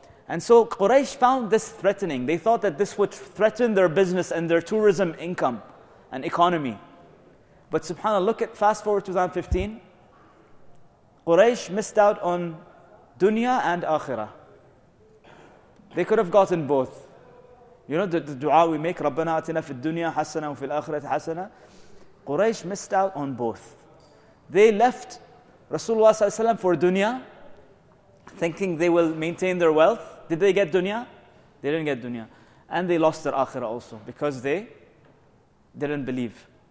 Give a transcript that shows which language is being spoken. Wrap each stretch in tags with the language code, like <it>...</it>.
<en>And so Quraysh found this threatening. They thought that this would threaten their business and their tourism income and economy. But subhanAllah, look at fast forward 2015. Quraysh missed out on dunya and akhirah. They could have gotten both. You know the dua we make,</en> <ar>رَبَّنَا أَتِنَا فِي الدُّنْيَا حَسَنًا وَفِي الْآخِرَةِ حَسَنًا.</ar> <en>Quraysh missed out on both. They left Rasulullah ﷺ for dunya, thinking they will maintain their wealth. Did they get dunya? They didn't get dunya. And they lost their akhirah also, because they didn't believe.</en>